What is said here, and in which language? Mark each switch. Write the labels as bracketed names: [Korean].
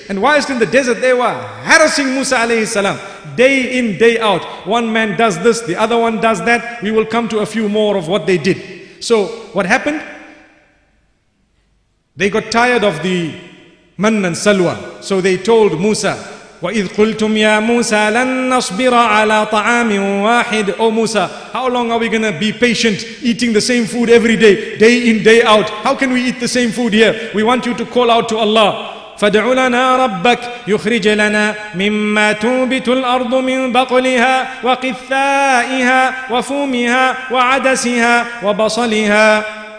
[English] And whilst in the desert, they were harassing Musa alayhi salam. Day in, day out. One man does this, the other one does that. We will come to a few more of what they did. So what happened? They got tired of the man and salwa. So they told Musa, [Arabic] وَإِذْ قُلْتُمْ يَا مُوسَى لَن نَصْبِرَ عَلَىٰ طَعَامٍ وَاحِدٍ. [English] Oh Musa, how long are we going to be patient eating the same food every day, day in, day out? How can we eat the same food here? We want you to call out to Allah. [Arabic] فَدْعُ لَنَا رَبَّكْ يُخْرِجْ لَنَا مِمَّا تُوبِتُ الْأَرْضُ مِنْ بَقْلِهَا وَقِثَّائِهَا وَفُومِهَا وَعَدَسِهَا وَبَصَلِهَا.